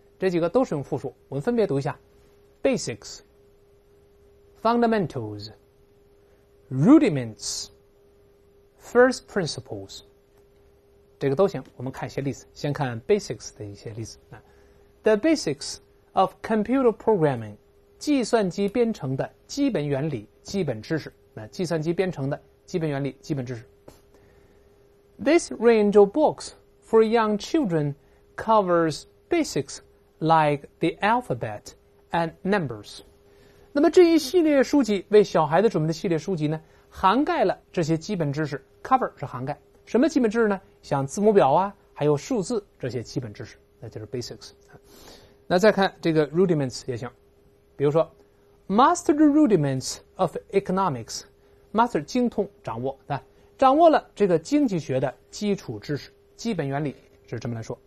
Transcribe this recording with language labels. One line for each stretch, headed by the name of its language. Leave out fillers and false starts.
Chinese: 这几个都是用复数，我们分别读一下 basics fundamentals rudiments first principles， 这个都行，我们看一些例子，先看 basics 的一些例子。 The basics of computer programming, 计算机编程的基本原理、基本知识。那计算机编程的基本原理、基本知识。
English: This range of books for young children covers basics like the alphabet and numbers.
Chinese: 那么这一系列书籍为小孩子准备的系列书籍呢，涵盖了这些基本知识。 Cover 是涵盖。什么基本知识呢？像字母表啊，还有数字这些基本知识，那就是 basics。那再看这个 rudiments 也行，比如说 master the rudiments of economics， master 精通掌握，那掌握了这个经济学的基础知识、基本原理，是这么来说。